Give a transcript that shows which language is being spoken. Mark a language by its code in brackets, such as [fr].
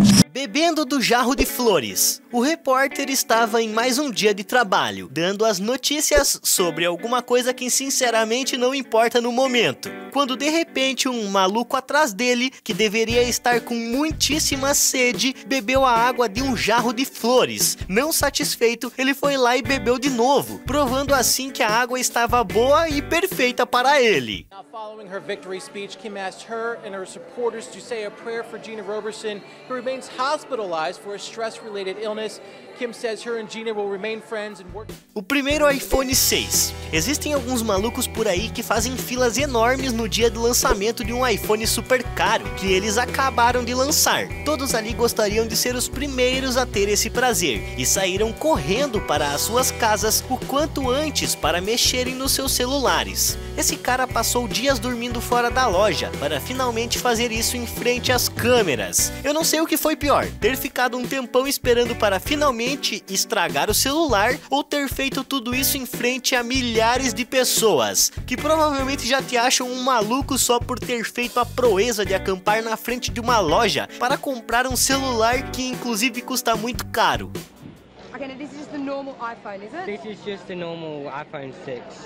[pt] Bebendo do jarro de flores. O repórter estava em mais um dia de trabalho, dando as notícias sobre alguma coisa que sinceramente não importa no momento. Quando de repente um maluco atrás dele, que deveria estar com muitíssima sede, bebeu a água de um jarro de flores. Não satisfeito, ele foi lá e bebeu de novo, provando assim que a água estava boa e perfeita para ele. [en] Following her victory speech, Kim asked her and her supporters to say a prayer for Gina Roberson, who remains hospitalized for a stress-related illness. Kim says her and Gina will remain friends and work. [pt] O primeiro iPhone 6. Existem alguns malucos por aí que fazem filas enormes no dia do lançamento de um iPhone super caro que eles acabaram de lançar. Todos ali gostariam de ser os primeiros a ter esse prazer e saíram correndo para as suas casas o quanto antes para mexerem nos seus celulares. Esse cara passou dias dormindo fora da loja para finalmente fazer isso em frente às câmeras. Eu não sei o que foi pior, ter ficado um tempão esperando para finalmente estragar o celular ou ter feito tudo isso em frente a milhares de pessoas, que provavelmente já te acham um maluco só por ter feito a proeza de acampar na frente de uma loja para comprar um celular que inclusive custa muito caro. [en] Okay, this is just the normal iPhone, is it? This is just the normal iPhone 6.